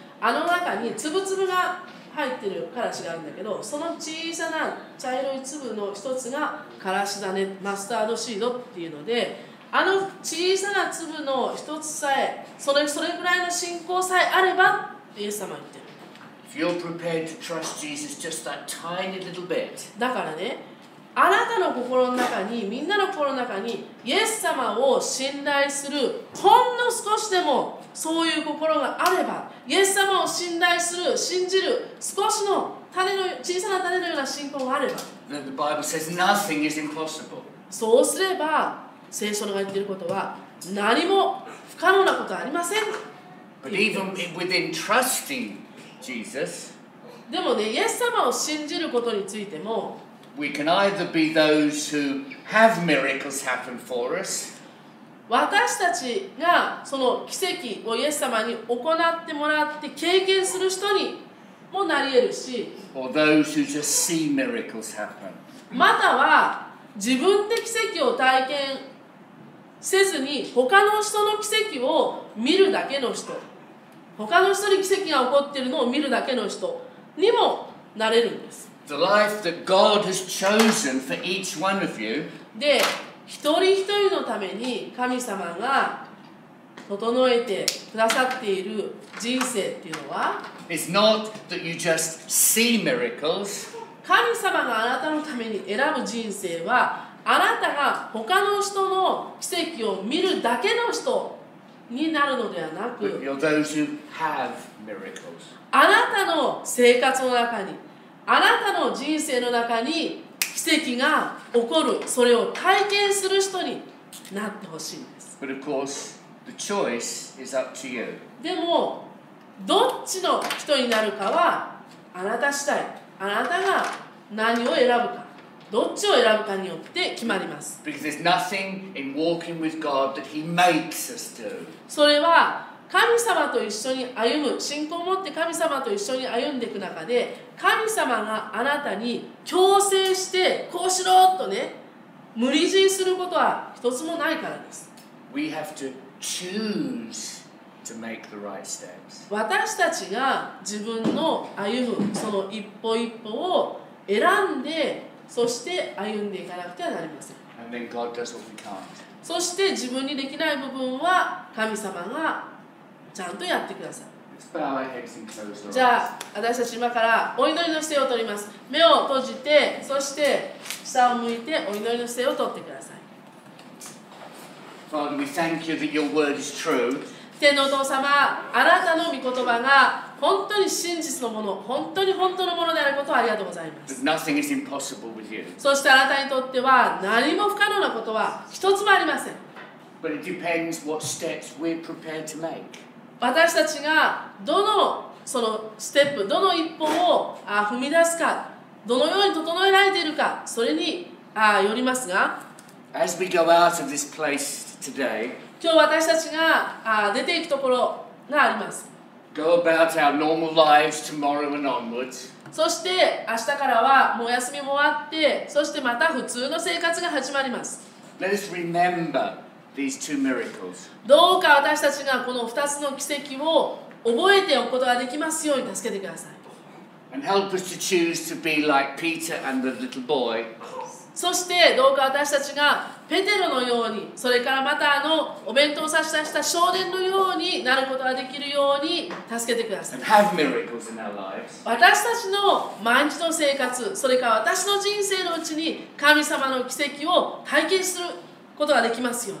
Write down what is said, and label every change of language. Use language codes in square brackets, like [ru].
[ja] あの中に粒々が入ってるカラシがあるんだけど、その小さな茶色い粒の一つがカラシだね、マスタードシードっていうので、あの小さな粒の一つさえ、それぐらいの信仰さえあれば、イエス様は言ってる。 [en] You're prepared to trust Jesus just that tiny little bit. [ja] だからね、あなたの心の中に、みんなの心の中に、イエス様を信頼するほんの少しでもそういう心があれば、イエス様を信頼する、信じる少しの種の小さな種のような信仰があれば、 [en] Then the Bible says nothing is impossible. [ja] そうすれば、聖書が言っていることは何も不可能なことはありません。 [en] But even within trusting. Jesus. [ja] でもね、イエス様を信じることについても、 [en] We can either be those who have miracles happen for us. [ja] 私たちがその奇跡をイエス様に行ってもらって経験する人にもなり得るし、 [en] Or those who just see miracles happen. [ja] または自分で奇跡を体験せずに他の人の奇跡を見るだけの人。他の人に奇跡が起こっているのを見るだけの人にもなれるんです。 [en] The life that God has chosen for each one of you. [ja] で、一人一人のために神様が整えてくださっている人生っていうのは、 [en] It's not that you just see miracles. [ja] 神様があなたのために選ぶ人生は、あなたが他の人の奇跡を見るだけの人。になるのではなく、 [en] But you're those who have miracles. [ja] あなたの生活の中に、あなたの人生の中に奇跡が起こる、それを体験する人になってほしいんです。 [en] But of course, the choice is up to you. [ja] でも、どっちの人になるかはあなた次第。あなたが何を選ぶか。どっちを選ぶかによって決まります。 [en] Because there's nothing in walking with God that He makes us do. [ja] それは神様と一緒に歩む、信仰を持って神様と一緒に歩んでいく中で、神様があなたに強制してこうしろとね、無理強いすることは一つもないからです。 [en] We have to choose to make the right steps. [ja] 私たちが自分の歩むその一歩一歩を選んで、そして歩んでいかなくてはなりません。 [en] And then God does what we can't. [ja] そして自分にできない部分は神様がちゃんとやってください。じゃあ私たち今からお祈りの姿勢をとります。目を閉じて、そして下を向いてお祈りの姿勢をとってください。 [en] Father, we thank you that your word is true. [ja] 天のお父様、あなたの御言葉が本当に真実のもの、本当に本当のものであることをありがとうございます。 [en] But nothing is impossible with you. [ja] そしてあなたにとっては何も不可能なことは一つもありません。 [en] But it depends what steps we're prepared to make. [ja] 私たちがどのそのステップ、どの一歩を踏み出すか、どのように整えられているか、それによりますが、 [en] As we go out of this place today, [ja] 今日私たちが出ていくところがあります。 [en] Go about our normal lives tomorrow and onwards. [ja] そして明日からはもう休みも終わって、そしてまた普通の生活が始まります。 [en] Let us remember these two miracles. [ja] どうか私たちがこの二つの奇跡を覚えておくことができますように助けてください。 [en] And help us to choose to be like Peter and the little boy. [ja] そしてどうか私たちがペテロのように、それからまたお弁当を差し出した少年のようになることができるように助けてください。 [en] And have miracles in our lives. [ja] 私たちの毎日の生活、それから私の人生のうちに神様の奇跡を体験することができますよ。